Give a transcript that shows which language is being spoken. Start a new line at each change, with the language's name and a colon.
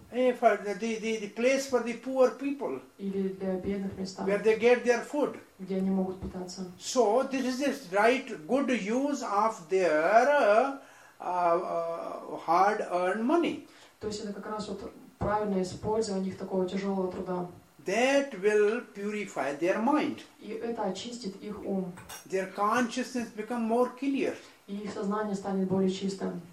English: For the place for the poor people.
Russian: Или для бедных мест.
English: Where they get their food.
Russian: Где они могут питаться.
English: So this is the right good use of their hard-earned money.
Russian: То есть это как раз вот правильное использование их такого тяжелого труда.
English: That will purify their mind.
Russian: И это очистит их ум.
English: Their consciousness become more clear.
Russian: И их сознание станет более чистым.